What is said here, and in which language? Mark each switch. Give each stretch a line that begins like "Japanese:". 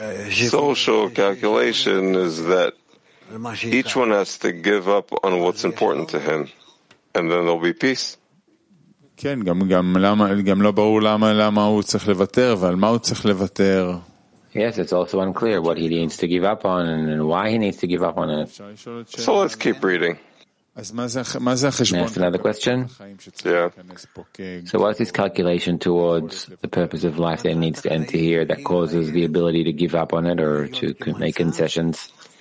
English: Social calculation is that each one has to give up on what's important to him, and then there'll be peace.
Hebrew: כן, גם לא ברור למה הוא צריך לוותר, ועל מה הוא צריך לוותר.
English: Yes, it's also unclear what he needs to give up on and why he needs to give up on it. So let's keep reading. Next, another question? Yeah. So what's this calculation towards the purpose of life that needs to enter here that causes the ability to give up on it or to make concessions?